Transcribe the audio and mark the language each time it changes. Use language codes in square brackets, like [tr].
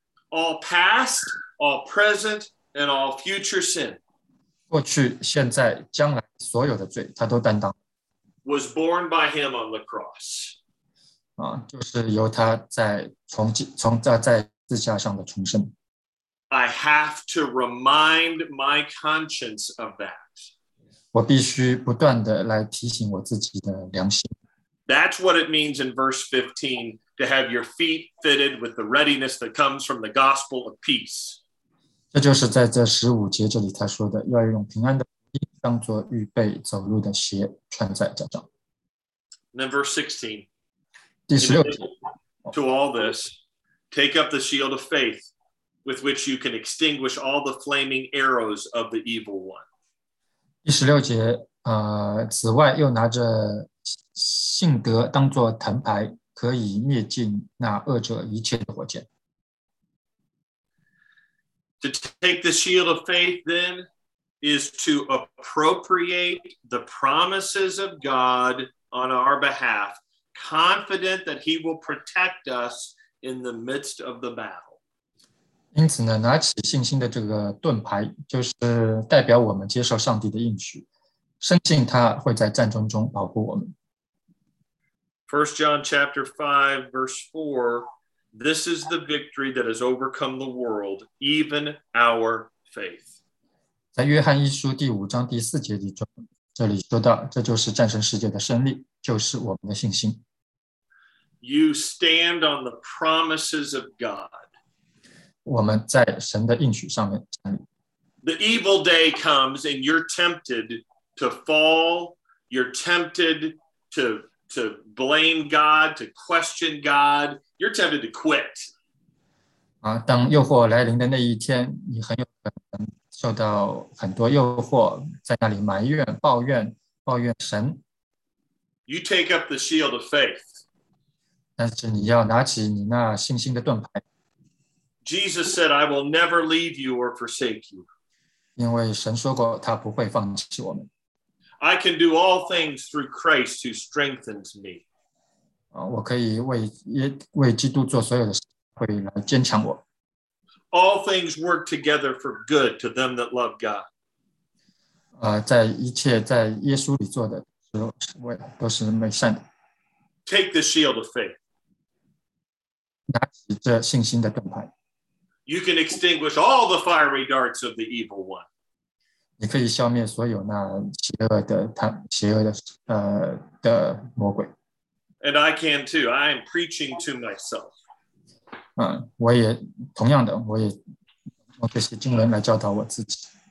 [en] All past, all present, and all future sin. [zh] 过去、现在、将来所有的罪他都担当。 [en] Was borne by him on the cross. [zh] 就是由他在在十字架上的重生。 [en] I have to remind my conscience of that. [zh] 我必须不断地来提醒我自己的良心。 [en] That's what it means in verse 15, to have your feet fitted with the readiness that comes from the gospel of peace. [zh] 这就是在这十五节这里他说的，要用平安的福音当作预备走路的鞋穿在脚上。 [en] And then verse 16. [zh] 第十六节。 [en] To all this, take up the shield of faith. With which you can extinguish all the flaming arrows of the evil one. [zh] 第十六节，此外又拿着信德当作藤牌，可以灭尽那恶者一切的火箭。 [en] To take the shield of faith, then, is to appropriate the promises of God on our behalf, confident that He will protect us in the midst of the battle. [zh] 因此呢，拿起信心的这个盾牌，就是代表我们接受上帝的应许，深信他会在战争中保护我们。 [en] First John chapter 5, verse 4, this is the victory that has overcome the world, even our faith. [zh] 在约翰一书第五章第四节里中，这里说到，这就是战胜世界的胜利，就是我们的信心。 [en] You stand on the promises of God. [zh] 我们在神的应许上面站立。 [en] The evil day comes and you're tempted to fall. You're tempted to blame God, to question God. You're tempted to quit. [zh] 当诱惑来临的那一天，你很有可能受到很多诱惑，在那里埋怨、抱怨、抱怨神。 [en] You take up the shield of faith. [zh] 但是你要拿起你那信心的盾牌。 [en] Jesus said, I will never leave you or forsake you. [zh] 因为神说过他不会放弃我们。 [en] I can do all things through Christ who strengthens me. [zh] 我可以为基督做所有的事，会来坚强我。 [en] All things work together for good to them that love God. [zh] 在一切在耶稣里做的都是美善的。 [en] Take the shield of faith. [zh] 拿起这信心的盾牌。 [en] You can extinguish all the fiery darts of the evil one. [zh] 你可以消灭所有那邪恶的魔鬼。 [en] And I can too. I am preaching to myself. [zh] 我也同样的，我也用这些经文来教导我自己。